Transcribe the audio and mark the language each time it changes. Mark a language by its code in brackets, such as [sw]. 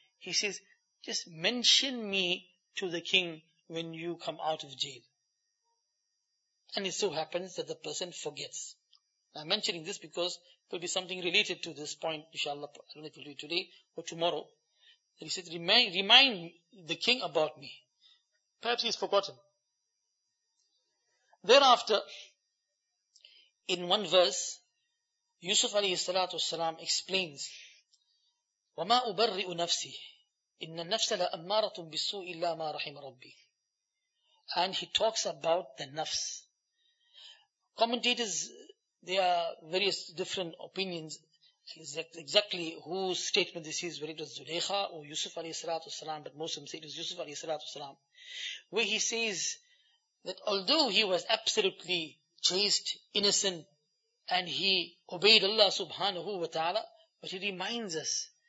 [en] He says, just mention me to the king when you come out of jail. And it so happens that the person forgets. I'm mentioning this because there will be something related to this point, inshallah, I don't know if it will be today or tomorrow. And he says, remind the king about me. Perhaps he's forgotten. Thereafter, in one verse, Yusuf alayhi salatu wasalam explains, [ar] وَمَا أُبَرِّئُ نَفْسِي إِنَّ النَّفْسَ لَأَمَّارَةٌ بِالسُّوءِ إِلَّا مَا رَحِمَ رَبِّي. [en] And he talks about the nafs. Commentators, there are various different opinions exactly whose statement this is, whether it was Zulaykha or Yusuf alayhi salatu wasalam, but most of them say it was Yusuf alayhi salatu wasalam, where he says that although he was absolutely chaste, innocent, and he obeyed Allah subhanahu wa ta'ala, but he reminds us.